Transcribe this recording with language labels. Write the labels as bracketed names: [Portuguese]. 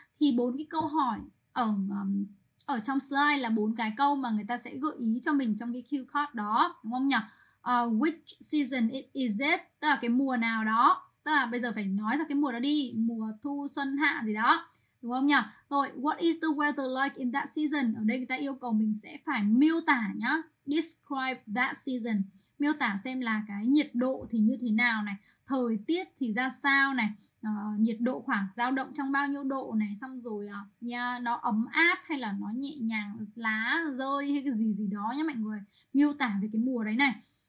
[Vietnamese] Thì bốn cái câu hỏi ở trong slide là bốn cái câu mà người ta sẽ gợi ý cho mình trong cái Q-Cast đó, đúng không nhỉ? [English] Which season it is it? [Vietnamese] Tức là cái mùa nào đó. Tức là bây giờ phải nói ra cái mùa đó đi, mùa thu xuân hạ gì đó, đúng không nhỉ? [English] Rồi, what is the weather like in that season? [Vietnamese] Ở đây người ta yêu cầu mình sẽ phải miêu tả nhá, [English] describe that season, [Vietnamese] miêu tả xem là cái nhiệt độ thì như thế nào này, thời tiết thì ra sao này, nhiệt độ khoảng dao động trong bao nhiêu độ này, xong rồi nó ấm áp hay là nó nhẹ nhàng, lá rơi hay cái gì gì đó nhá mọi người, miêu tả về cái mùa đấy này.